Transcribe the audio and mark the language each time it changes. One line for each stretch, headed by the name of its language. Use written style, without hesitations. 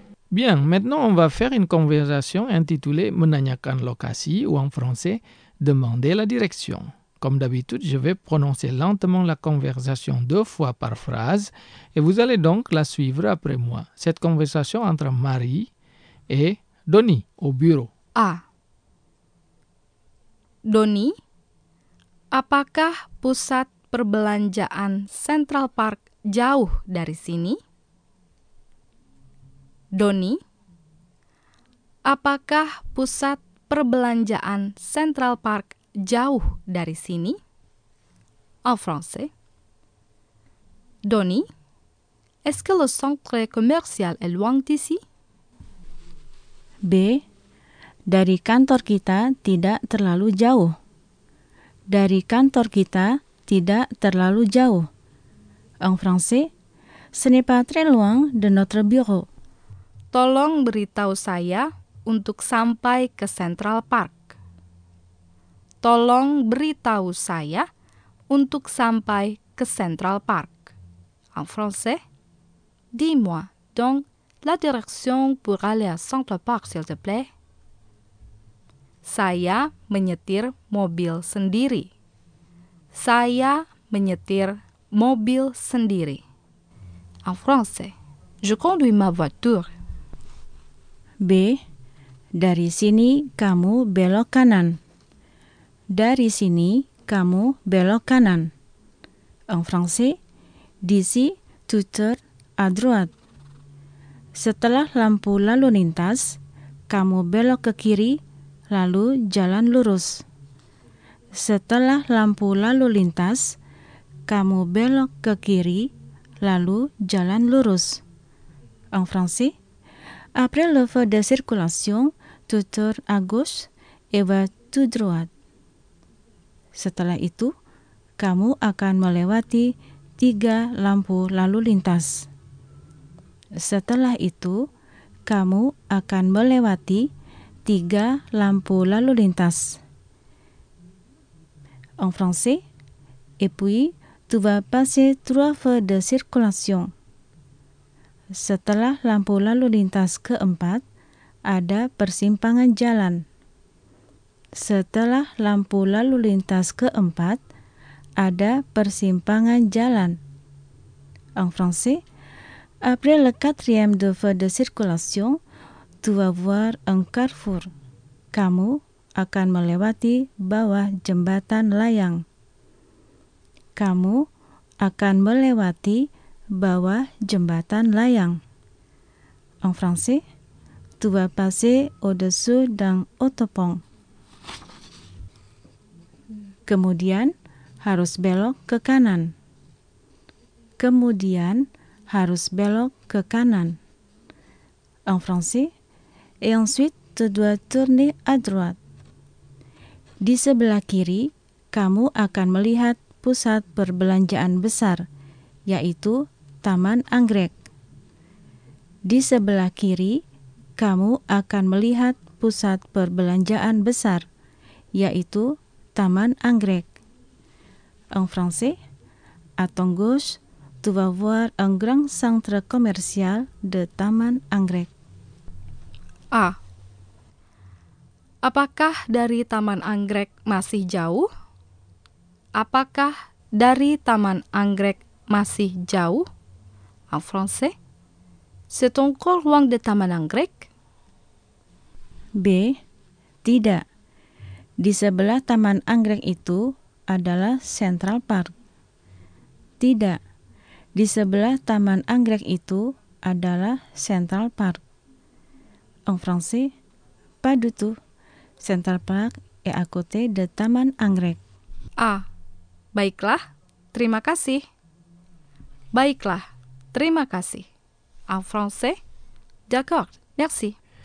French: Bien, maintenant on va faire une conversation intitulée «
Indonesian: Menanyakan lokasi
French: » ou en français « Demander la direction ». Comme d'habitude, je vais prononcer lentement la conversation deux fois par phrase et vous allez donc la suivre après moi. Cette conversation entre Marie et Donny au bureau. Ah.
Indonesian: Donny, apakah pusat perbelanjaan Central Park jauh dari sini? Donny, apakah pusat perbelanjaan Central Park jauh dari sini?
French: En français. Donny, est-ce que le centre commercial est loin d'ici? B.
Indonesian: Dari kantor kita tidak terlalu jauh. Dari kantor kita tidak terlalu jauh.
French: En français. Ce n'est pas très loin de notre bureau.
Indonesian: Tolong beritahu saya untuk sampai ke Central Park. Tolong beritahu saya untuk sampai ke Central Park.
French: En français, dis-moi donc la direction pour aller à Central Park, s'il te plaît.
Indonesian: Saya menyetir mobil sendiri. Saya menyetir mobil sendiri.
French: En français, je conduis ma voiture.
Indonesian: B. Dari sini kamu belok kanan. Dari sini kamu belok kanan.
French: En français, d'ici tu tournes à droite.
Indonesian: Setelah lampu lalu lintas, kamu belok ke kiri, lalu jalan lurus. Setelah lampu lalu lintas, kamu belok ke kiri, lalu jalan lurus.
French: En français, après le feu de circulation, tu tournes à gauche et va tout droit.
Indonesian: Setelah itu, kamu akan melewati tiga lampu lalu lintas. Setelah itu, kamu akan melewati tiga lampu lalu lintas.
French: En français, et puis tu vas passer trois feux de circulation.
Indonesian: Setelah lampu lalu lintas keempat, ada persimpangan jalan. Setelah lampu lalu lintas keempat, ada persimpangan jalan.
French: En français, après le quatrième de feu de circulation, tu vas voir un carrefour.
Indonesian: Kamu akan melewati bawah jembatan layang. Kamu akan melewati bawah jembatan layang.
French: En français, tu vas passer au-dessus d'un autopont.
Indonesian: Kemudian, harus belok ke kanan. Kemudian, harus belok ke kanan.
French: En français, et ensuite, tu dois tourner à droite.
Indonesian: Di sebelah kiri, kamu akan melihat pusat perbelanjaan besar, yaitu Taman Anggrek. Di sebelah kiri, kamu akan melihat pusat perbelanjaan besar, yaitu Taman Anggrek.
French: En français, à ton gauche, tu vas voir un grand centre commercial de Taman Anggrek. A.
Indonesian: Apakah dari Taman Anggrek masih jauh? Apakah dari Taman Anggrek masih jauh?
French: En français, c'est encore loin de Taman Anggrek?
Indonesian: B. Tidak. Di sebelah Taman Anggrek itu adalah Central Park. Tidak. Di sebelah Taman Anggrek itu adalah Central Park.
French: En français, pas du tout. Central Park est à côté de Taman Anggrek.
Indonesian: A. Baiklah, terima kasih. Baiklah, terima kasih.
French: En français, d'accord, merci.